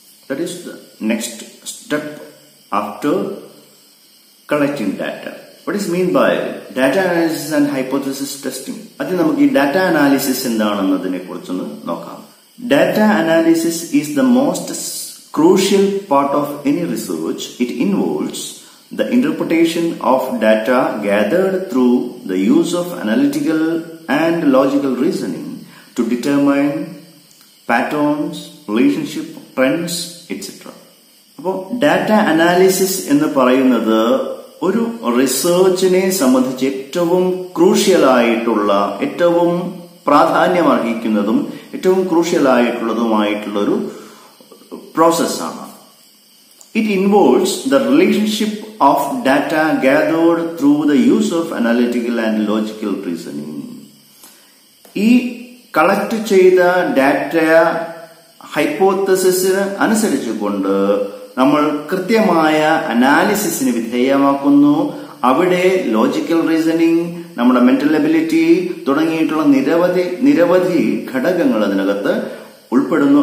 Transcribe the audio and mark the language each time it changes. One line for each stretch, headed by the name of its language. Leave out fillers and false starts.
English: That is the next step after collecting data. What is meant by data analysis and hypothesis testing?
Malayalam: ആദ്യം നമുക്ക് ഈ data analysis എന്താണെന്നതിനെ കുറിച്ചൊന്ന് നോക്കാം.
English: Data analysis is the most crucial part of any research. It involves the interpretation of data gathered through the use of analytical and logical reasoning to determine patterns, relationship, trends, etc.
Malayalam: അപ്പോൾ data analysis എന്ന് പറയുന്നത് ഒരു റിസർച്ചിനെ സംബന്ധിച്ച് ഏറ്റവും crucial ആയിട്ടുള്ള, ഏറ്റവും പ്രാധാന്യമർഹിക്കുന്നതും ഏറ്റവും crucial ആയിട്ടുള്ളതുമായിട്ടുള്ള ഒരു process ആണ്.
English: It involves the relationship of data gathered through the use of analytical and logical reasoning.
Malayalam: ഈ കളക്ട് ചെയ്ത ഡാറ്റ ഹൈപ്പോത്തസിന് അനുസരിച്ചുകൊണ്ട് നമ്മൾ കൃത്യമായ അനാലിസിസിന് വിധേയമാക്കുന്നു. അവിടെ ലോജിക്കൽ റീസണിംഗ്, നമ്മുടെ മെന്റൽ എബിലിറ്റി തുടങ്ങിയിട്ടുള്ള നിരവധി ഘടകങ്ങൾ അതിനകത്ത് ഉൾപ്പെടുന്നു.